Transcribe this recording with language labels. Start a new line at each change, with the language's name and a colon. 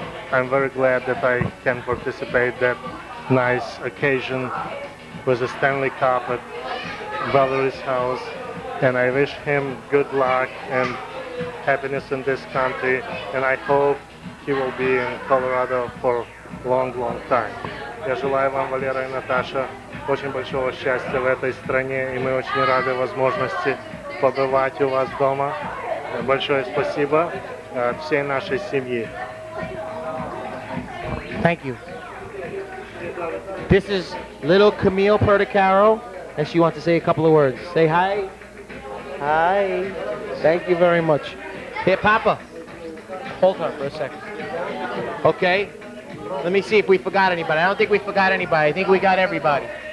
English: I'm very glad that I can participate that nice occasion with the Stanley Cup at Valerie's house, and I wish him good luck and happiness in this country, and I hope he will be in Colorado for long, long time.
Russian: Я желаю вам, Валера и Наташа, очень большого счастья в этой стране, и мы очень рады возможности побывать у вас дома. Большое спасибо от всей нашей семьи.
English: Thank you. This is little Camille Perticaro, and she wants to say a couple of words. Say hi. Hi. Thank you very much. Hey, Papa. Hold her for a second. Okay. Let me see if we forgot anybody. I don't think we forgot anybody. I think we got everybody.